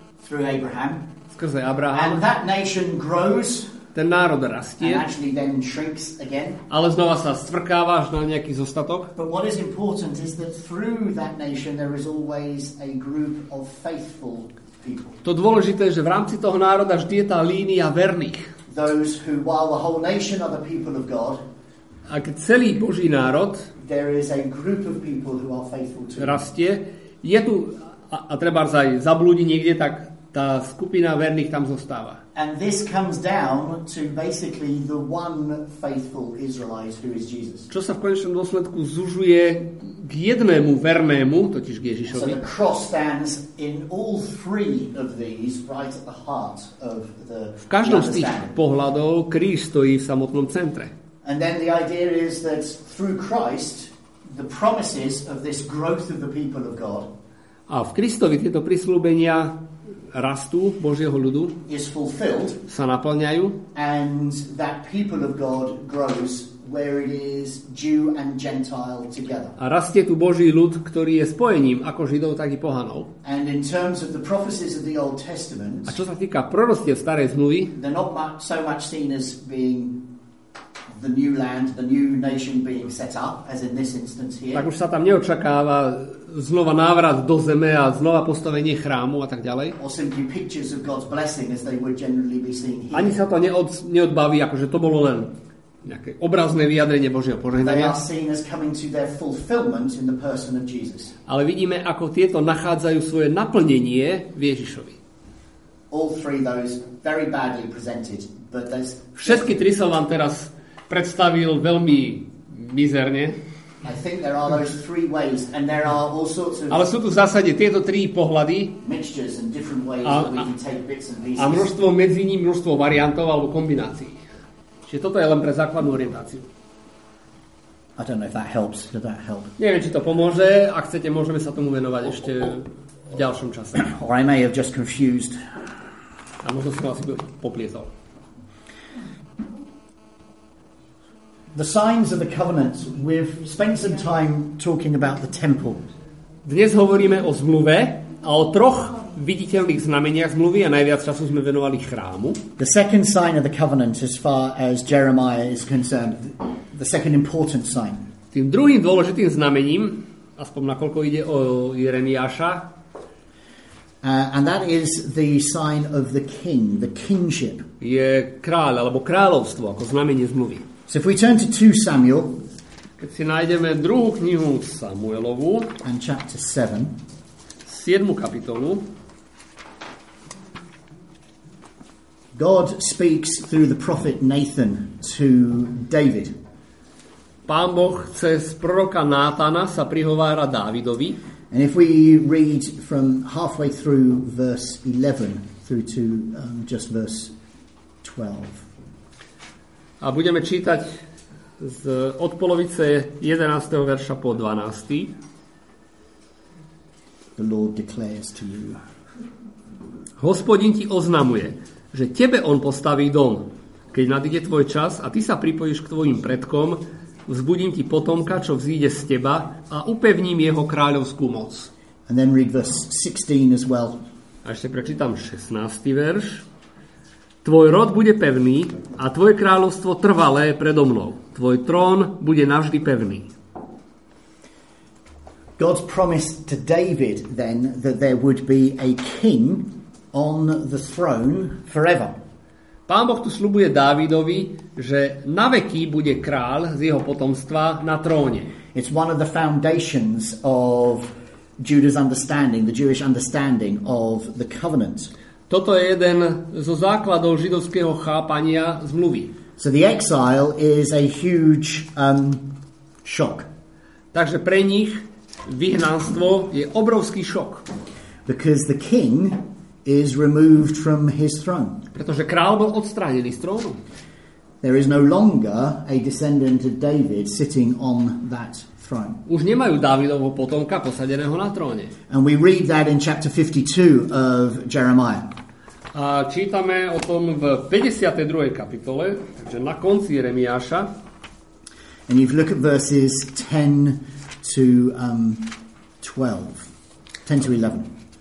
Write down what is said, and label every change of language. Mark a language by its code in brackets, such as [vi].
[en] Through Abraham. [sk] Skrze Abraham. [en] And that nation grows. [sk] Ten národ rastie. [en] And actually then shrinks again. [sk] Ale znova sa stvrkáva až na nejaký zostatok. [en] But what is important is that through that nation there is always a group of faithful people. [sk] To dôležité, že v rámci toho národa vždy je tá línia verných. [en] those who, while the whole nation are the people of God, [sk] ak celý Boží národ [en] there is a group of people who are faithful to [sk] rastie, je tu a treba aj zablúdi niekde, tak tá skupina verných tam zostáva. [en] And this comes down to basically the one faithful Israelite who is Jesus. [sk] Čo sa v konečnom dôsledku zužuje k jednému vernému, totiž k Ježišovi. [en] So the cross stands in all three of these right at the heart of the [sk] v každom z tých pohľadov kríž stojí v samotnom centre. [en] And then the idea is that through Christ the promises of this growth of the people of God. [sk] A v Kristovi tieto prisľúbenia rastu Božieho ľudu [en] is fulfilled, [sk] sa naplňajú, [en] and that people of God grows where it is Jew and Gentile together. [sk] A rastie tu Boží ľud, ktorý je spojením ako Židov, tak i pohanov. [en] And in terms of the prophecies of the Old Testament, [sk] a čo sa týka proroctiev starej zmluvy, [en] they're not so much seen as being the new land, the new nation being set up as in this instance here. [sk] Tak už sa tam neočakáva znova návrat do zeme a znova postavenie chrámu a tak ďalej. [en] Or simply pictures of God's blessing as they would generally be seen here. [sk] Ani sa to neodbaví, akože to bolo len nejaké obrazné vyjadrenie Božieho požehnania. [en] They are seen as coming to their fulfillment in the person of Jesus. [sk] Ale vidíme, ako tieto nachádzajú svoje naplnenie v Ježišovi. [en] All three those very badly presented, but there's [sk] všetky tri som vám teraz predstavil veľmi mizerne. [en] I think there are those three ways and there are all sorts of [sk] ale sú tu v zásade tieto tri pohľady [en] and different ways that we can take bits and pieces. [sk] A množstvo medzi nimi, množstvo variantov alebo kombinácií. Čiže toto je len pre základnú orientáciu. [en] I don't know if that helps. Did that help? [sk] Neviem, či to pomôže. Ak chcete, môžeme sa tomu venovať ešte v ďalšom čase. [en] Or I may have just confused. [sk] A možno som asi poplietol. [en] The signs of the covenant. We've spent some time talking about the temple. [sk] Dnes hovoríme o zmluve a o troch viditeľných znameniach zmluvy a najviac času sme venovali chrámu. [en] The second sign of the covenant as far as Jeremiah is concerned, the second important sign. [sk] Tým druhým dôležitým znamením, aspoň nakoľko ide o Jeremiáša, [en] And that is the sign of the king, the kingship. [sk] Je kráľ alebo kráľovstvo ako znamenie zmluvy. [en] So if we turn to 2 Samuel, [sk] keď si nájdeme druhú knihu Samuelovu, [en] and chapter 7, [sk] 7. kapitolu, [en] God speaks through the prophet Nathan to David. [sk] Pán Boh cez proroka Nátana sa prihovára Dávidovi. [en] And if we read from halfway through verse 11 through to just verse 12. [sk] A budeme čítať z od polovice 11. verša po 12. [en] The Lord declares to you. [sk] Hospodin ti oznamuje, že tebe on postaví dom. Keď nadíde tvoj čas a ty sa pripojíš k tvojim predkom, vzbudím ti potomka, čo vzíde z teba a upevním jeho kráľovskú moc. [en] And then read verse 16 as well. [sk] A ešte prečítam 16. verš. Tvoj rod bude pevný a tvoje kráľovstvo trvalé predo mnou. Tvoj trón bude navždy pevný. [en] God's promise to David then that there would be a king on the throne forever. [sk] Pán Boh tu sľubuje Dávidovi, že naveky bude kráľ z jeho potomstva na tróne. [en] It's one of the foundations of Judah's understanding, the Jewish understanding of the covenant. [sk] Toto je jeden zo základov židovského chápania zmluvy. [en] So the exile is a huge shock. [sk] Takže pre nich vyhnanstvo je obrovský šok. [en] Because the king is removed from his throne. [sk] Pretože kráľ bol odstránený z trónu. [en] There is no longer a descendant of David sitting on that throne. [sk] Už nemajú Dávidovho potomka posadeného na tróne. [en] And we read that in chapter 52 of Jeremiah. [sk] A čítame o tom v 52. kapitole, takže na konci Jeremiáša. [en] And if you look at verses 10 to 12. 10 to 11.